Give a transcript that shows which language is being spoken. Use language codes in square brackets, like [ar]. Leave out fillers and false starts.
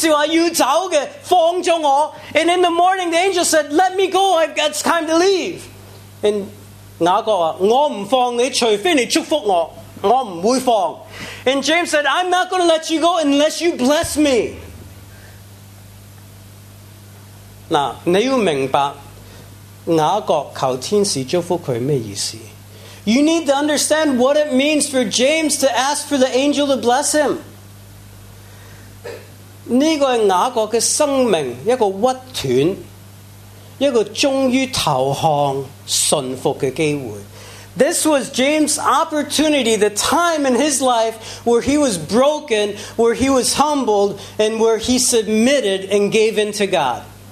[zh] 到天光的时候,天使说要走的,放了我。 [en] And in the morning, the angel said, let me go, it's time to leave. [zh] And 雅各说,我不放你,除非你祝福我,我不会放。 [en] And James said, I'm not going to let you go unless you bless me. [zh] 那,你要明白。雅各求天使祝福他什么意思? [en] You need to understand what it means for James to ask for the angel to bless him. [zh] 这个是雅各的生命,一个屈断,一个终于投降,顺服的机会。 [en] This was James' opportunity, the time in his life where he was broken, where he was humbled, and where he submitted and gave in to God.